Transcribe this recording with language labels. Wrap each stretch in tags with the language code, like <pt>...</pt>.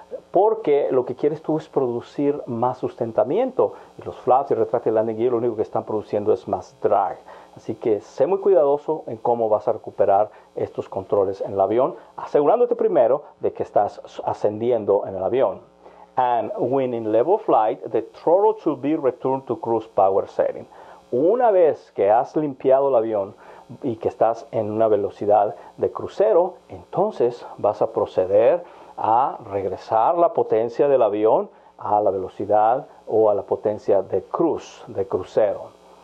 <es>Porque lo que quieres tú es producir más sustentamiento y los flaps y retracted landing gear lo único que están produciendo es más drag. Así que sé muy cuidadoso en cómo vas a recuperar estos controles en el avión, asegurándote primero de que estás ascendiendo en el avión.</es> <en>And when in level flight, the throttle should be returned to cruise power setting.</en> <es>Una vez que has limpiado el avión y que estás en una velocidad de crucero, entonces vas a proceder a regresar la potencia del avión a la velocidad o a la potencia de cruise, de crucero.</es>